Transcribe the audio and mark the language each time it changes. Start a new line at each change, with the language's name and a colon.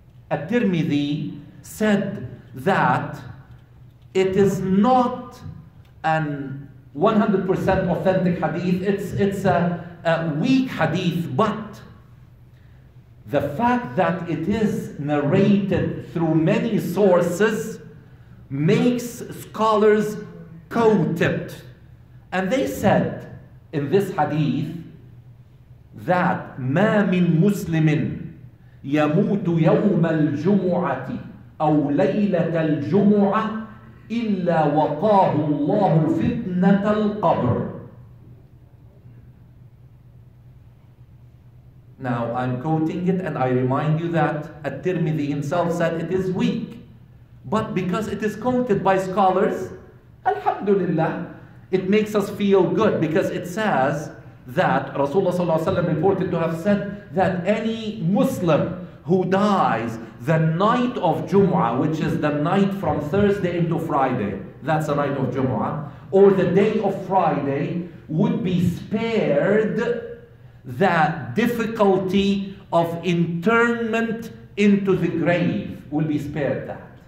English: At-Tirmidhi said that it is not an 100% authentic hadith, it's a weak hadith, but the fact that it is narrated through many sources makes scholars quote it. And they said in this hadith that
Arabic: مَا مِن مُسْلِمٍ يَمُوتُ يَوْمَ الْجُمُعَةِ أَوْ لَيْلَةَ الْجُمُعَةِ إِلَّا وَقَاهُ اللَّهُ فِتْنَةَ الْقَبْرِ.
English: Now, I'm quoting it, and I remind you that At-Tirmidhi himself said it is weak. But because it is quoted by scholars, alhamdulillah, it makes us feel good, because it says that Rasulullah sallallahu alaihi wasallam reported to have said that any Muslim who dies the night of Jumu'ah, which is the night from Thursday into Friday, that's the night of Jumu'ah, or the day of Friday, would be spared that difficulty of internment into the grave, will be spared that.